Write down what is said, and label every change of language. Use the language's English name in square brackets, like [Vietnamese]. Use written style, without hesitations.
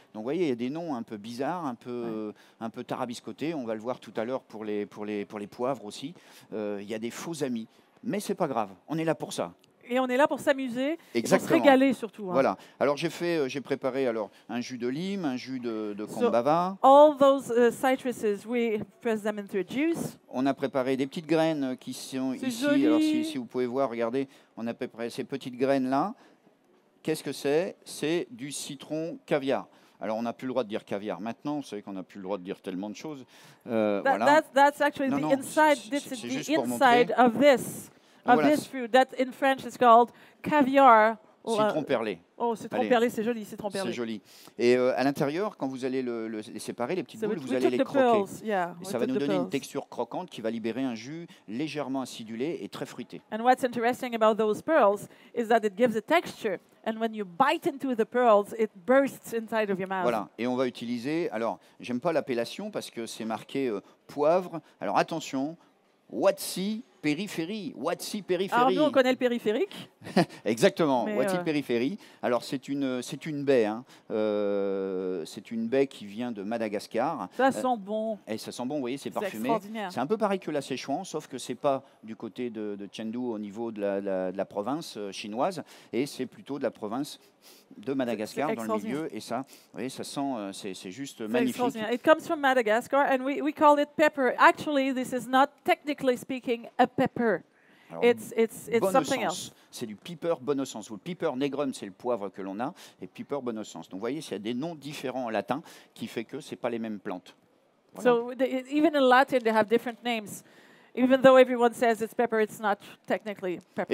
[French] Donc vous voyez, il y a des noms un peu bizarres, un peu tarabiscotés. On va le voir tout à l'heure pour les poivres aussi. Il y a des faux amis, mais c'est pas grave, on est là pour ça. Et on est là pour s'amuser, pour se régaler surtout. Hein. Voilà. Alors j'ai préparé alors un jus de lime, un jus de kombava. [English] So, all those citruses, we press them into a juice. [French] On a préparé des petites graines qui sont c'est ici. Joli. Alors si vous pouvez voir, regardez, on a préparé ces petites graines là. Qu'est-ce que c'est ? C'est du citron caviar. Alors on n'a plus le droit de dire caviar maintenant. Vous savez qu'on n'a plus le droit de dire tellement de choses. [English] That's actually the inside. [French] C'est [English] the inside of this. Of this fruit that in French is called caviar. [French] Citron perlé. Oh, citron perlé, c'est joli, citron perlé. C'est joli. Et à l'intérieur, quand vous allez les séparer, les petites boules, vous allez les croquer. [English] Pearls, yeah. [French] Et ça va nous donner une texture croquante qui va libérer un jus légèrement acidulé et très fruité. [English] And what's interesting about those pearls is that it gives a texture. And when you bite into the pearls, it bursts inside of your mouth. [French] Voilà. Et on va utiliser. Alors, j'aime pas l'appellation parce que c'est marqué poivre. Alors attention, Watsi. Périphérie, Watsi périphérie. Alors nous, on connaît le périphérique. Exactement, Watsi périphérie. Alors c'est une baie. Hein. C'est une baie qui vient de Madagascar. Ça sent bon. Et ça sent bon, vous voyez, c'est parfumé. C'est extraordinaire. C'est un peu pareil que la Sichuan, sauf que c'est pas du côté de Chengdu au niveau de la province chinoise, et c'est plutôt de la province de Madagascar dans le milieu. Et ça, vous voyez, ça sent, c'est juste magnifique. C'est extraordinaire. [English] It comes from Madagascar, and we call it pepper. Actually, this is not technically speaking. A pepper. [French] Alors, [English] it's something else. [French] C'est du piper bono sens. Le piper negrum, c'est le poivre que l'on a, et piper bono sens. Donc, vous voyez, il y a des noms différents en latin qui fait que c'est pas les mêmes plantes. Voilà. [English] So even in Latin, they have different names. Even though everyone says it's pepper, it's not technically pepper.